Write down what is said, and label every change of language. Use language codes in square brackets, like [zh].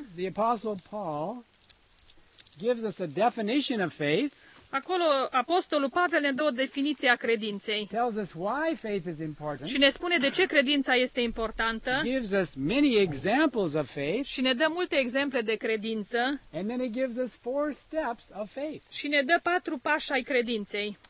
[en] the Apostle Paul gives us a definition of faith. [ro] Acolo apostolul Pavel ne dă o definiție a credinței. [en] Tells us why faith is important. [ro] Și ne spune de ce credința este importantă. [en] Gives us many examples of faith. [ro] Și ne dă multe exemple de credință. [en] And then he gives us four steps of faith. [ro] Și ne dă patru pași ai credinței.